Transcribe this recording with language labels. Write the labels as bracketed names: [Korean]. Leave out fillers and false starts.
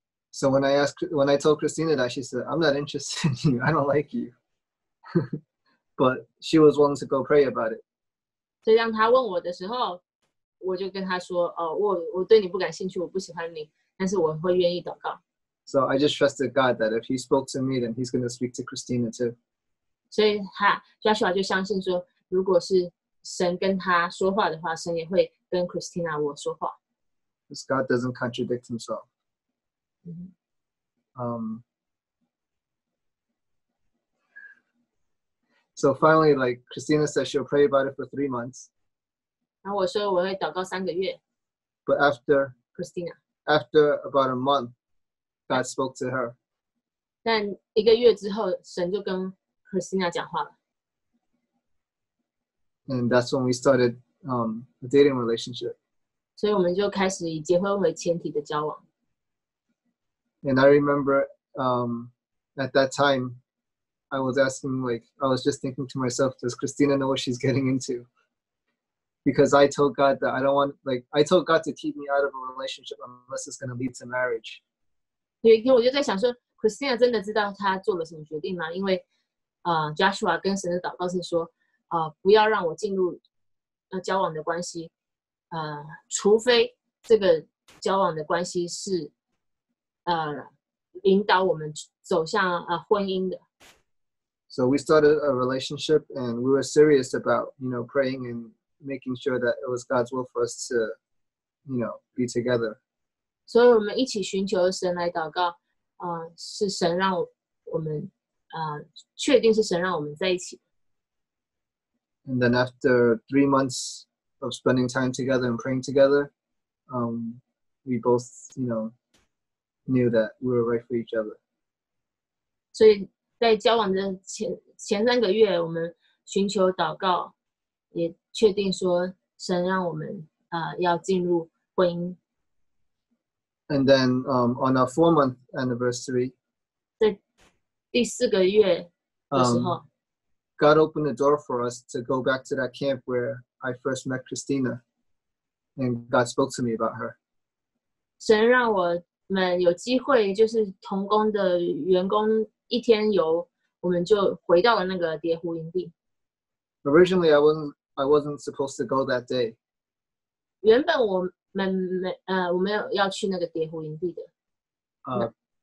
[English] So when I told Christina that, she said, I'm not interested in you. I don't like you. But she was willing to go pray about it. [Chinese] 所以当她问我的时候，我就跟她说，哦，我对你不感兴趣，我不喜欢你，但是我会愿意祷告。 [English] So I just trusted God that if He spoke to me, then He's going to speak to Christina too. [Chinese] 所以她 Joshua 就相信说，如果是神跟她说话的话，神也会跟 Christina 我说话。 [English] Because God doesn't contradict Himself. So finally, like Christina said, she'll pray about it for 3 months. [Chinese] 然后我说我会祷告三个月。 [English] But after Christina, after about a month, God spoke to her. [Chinese] 但一个月之后，神就跟 Christina 讲话了。 [English] And that's when we started a dating relationship. [Chinese] 所以我们就开始以结婚为前提的交往。 [English] And I remember at that time. I was asking, like, I was just thinking to myself, does Christina know what she's getting into? Because I told God that I don't want, like, I told God to keep me out of a relationship unless it's going to lead to marriage. [Chinese] 有一天我就在想说 ，Christina 真的知道她做了什么决定吗？因为，Joshua 跟神的祷告是说，不要让我进入交往的关系，除非这个交往的关系是，引导我们走向婚姻的。 [English] So we started a relationship, and we were serious about, you know, praying and making sure that it was God's will for us to, you know, be together. So we [Chinese] 们一起寻求神来祷告，是神让我们，确定是神让我们在一起。 [English] And then after 3 months of spending time together and praying together, we both, you know, knew that we were right for each other. So. [Chinese] 在交往的 前三个月，我们寻求祷告，也确定说神让我们要进入婚姻。 [English] And then, on our 4-month anniversary, [Chinese] 在第四个月的时候、 [English] God opened the door for us to go back to that camp where I first met Christina, and God spoke to me about her. [Chinese] 神让我们有机会，就是同工的员工一天游，我们就回到了那个蝶湖营地。 [English] Originally, I wasn't supposed to go that day. [Chinese] 原本我们我没有要去那个蝶湖营地的。